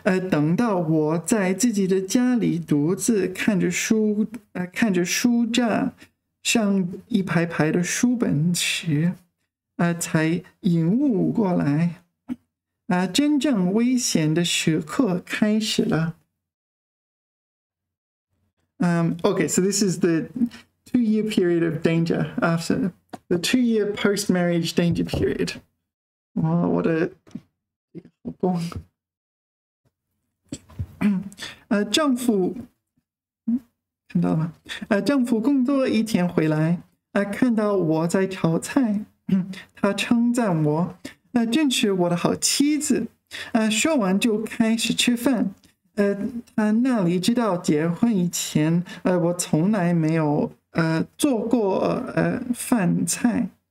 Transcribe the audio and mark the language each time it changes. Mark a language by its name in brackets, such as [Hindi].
[Chinese] 等到我在自己的家里独自看着书架上一排排的书本时，才领悟过来，真正危险的时刻开始了。 [English] Okay, so this is the 2-year period of danger after the 2-year post-marriage danger period. [Chinese] 哦，我的，老公，丈夫，看到了吗？丈夫工作了一天回来，看到我在炒菜，他称赞我，真是我的好妻子，说完就开始吃饭，他那里知道结婚以前，我从来没有做过饭菜。